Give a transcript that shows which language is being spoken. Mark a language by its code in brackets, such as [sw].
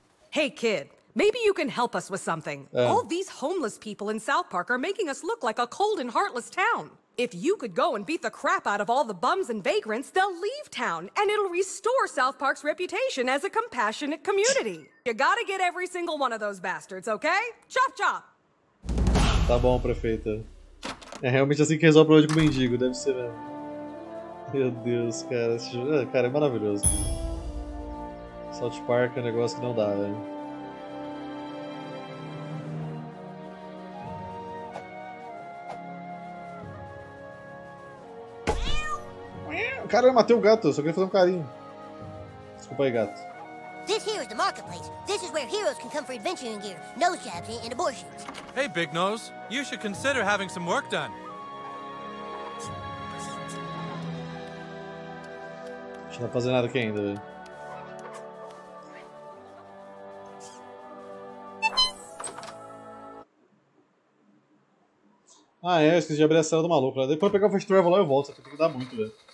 [en] Hey kid, maybe you can help us with something. All these homeless people in South Park are making us look like a cold and heartless town. If you could go and beat the crap out of all the bums and vagrants, they'll leave town, and it'll restore South Park's reputation as a compassionate community. You gotta get every single one of those bastards, okay? Chop chop! [pt] Tá bom, prefeita. É realmente assim que resolve o problema com o mendigo, deve ser mesmo. Meu Deus, cara, esse jogo, cara, é maravilhoso. South Park é um negócio que não dá, velho. Cara, eu matei o gato, eu só queria fazer um carinho. Desculpa aí, gato. [en] This here is the marketplace. This is where heroes can come for adventuring gear, nose jabs, and abortions. Hey, Big Nose, you should consider having some work done. [pt] Não dá pra fazer nada aqui ainda, velho. Ah, é, eu esqueci de abrir a cela do maluco. Depois eu pegar o Fast Travel lá eu volto, só que tem que dar muito, velho.